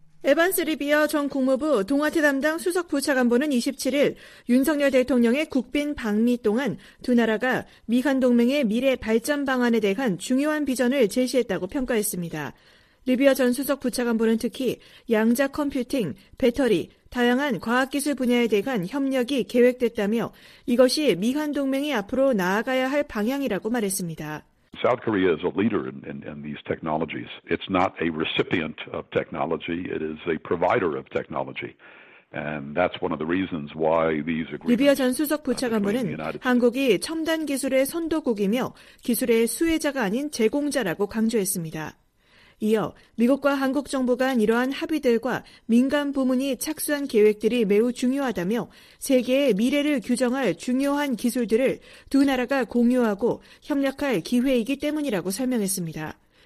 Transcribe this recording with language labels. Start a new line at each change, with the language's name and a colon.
Korean: 에반스 리비어 전 국무부 동아태 담당 수석부차관보는 27일 윤석열 대통령의 국빈 방미 동안 두 나라가 미한 동맹의 미래 발전 방안에 대한 중요한 비전을 제시했다고 평가했습니다. 리비어 전 수석부차관보는 특히 양자 컴퓨팅, 배터리, 다양한 과학기술 분야에 대한 협력이 계획됐다며 이것이 미한 동맹이 앞으로 나아가야 할 방향이라고 말했습니다.
English: South Korea is a leader in these technologies. It's not a recipient of technology. It is a provider of technology. And that's one of the reasons why these agreements.
Korean: 리비아 전 수석 부차관보는 한국이 첨단 기술의 선도국이며 기술의 수혜자가 아닌 제공자라고 강조했습니다. 이어 미국과 한국 정부 간 이러한 합의들과 민간 부문이 착수한 계획들이 매우 중요하다며 세계의 미래를 규정할 중요한 기술들을 두 나라가 공유하고 협력할 기회이기 때문이라고 설명했습니다.